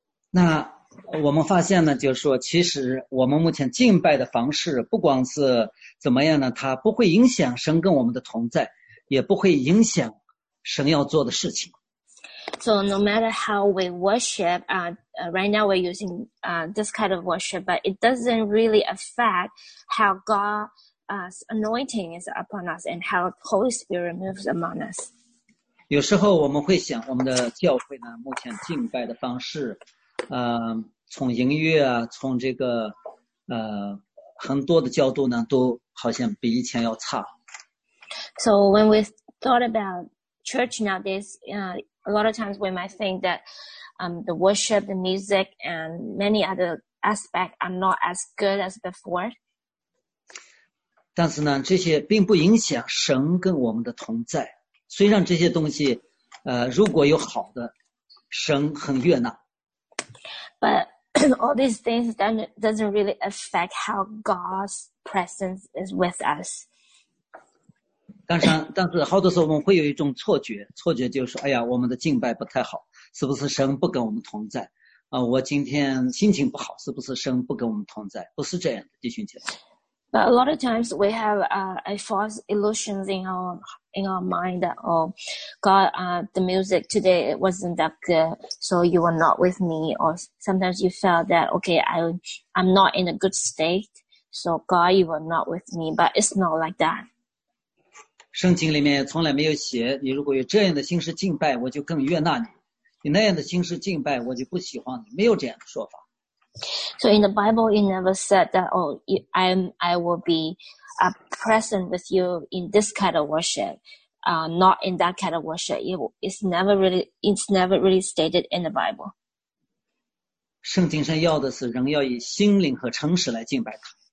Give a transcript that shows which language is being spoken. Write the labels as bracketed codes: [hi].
[zh] 那我们发现呢，就是说，其实我们目前敬拜的方式，不光是怎么样呢，它不会影响神跟我们的同在，也不会影响神要做的事情。 [en] So no matter how we worship, right now we're using this kind of worship, but it doesn't really affect how God's anointing is upon us and how Holy Spirit moves among us. [zh] 有时候我们会想，我们的教会呢，目前敬拜的方式，从音乐啊，从这个很多的角度呢，都好像比以前要差。 [en] So when we thought about church nowadays, a lot of times we might think that the worship, the music, and many other aspects are not as good as before. [zh] 但是呢，这些并不影响神跟我们的同在。虽然这些东西，如果有好的，神很悦纳。 [en] But all these things doesn't really affect how God's presence is with us. [zh] 但是好多时候我们会有一种错觉，错觉就是说，哎呀，我们的敬拜不太好，是不是神不跟我们同在？我今天心情不好，是不是神不跟我们同在？不是这样的，弟兄姐妹。 [en] But a lot of times we have a false illusions in our mind that, oh, God, the music today, it wasn't that good, so you were not with me. Or sometimes you felt that, okay, I'm not in a good state, so God, you were not with me. But it's not like that. [zh] 圣经里面从来没有写，你如果有这样的心思敬拜，我就更悦纳你；你那样的心思敬拜，我就不喜欢你。没有这样的说法。 [en] So in the Bible, it never said that, oh, I will be present with you in this kind of worship, not in that kind of worship. It's never really stated in the Bible. [zh] 圣经上要的是人要以心灵和诚实来敬拜他。